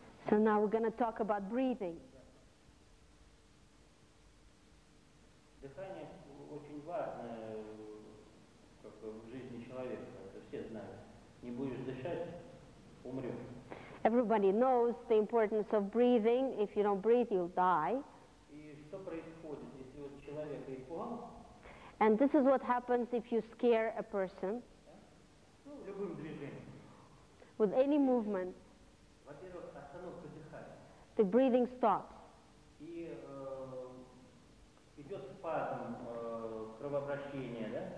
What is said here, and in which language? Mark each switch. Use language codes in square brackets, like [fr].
[en] So now we're going to talk about breathing. [ru] Дыхание очень важно как в жизни человека. Это все знают. Не будешь дышать, умрёшь. [en] Everybody knows the importance of breathing. If you don't breathe, you'll die. [ru] И что происходит, если вот человек испугал? [en] And this is what happens if you scare a person. [ru] Ну, любым движением. [en] With any movement. [ru] Во-первых, остановка дыхания. [en] The breathing stops. [ru] И идет спазм кровообращения, да?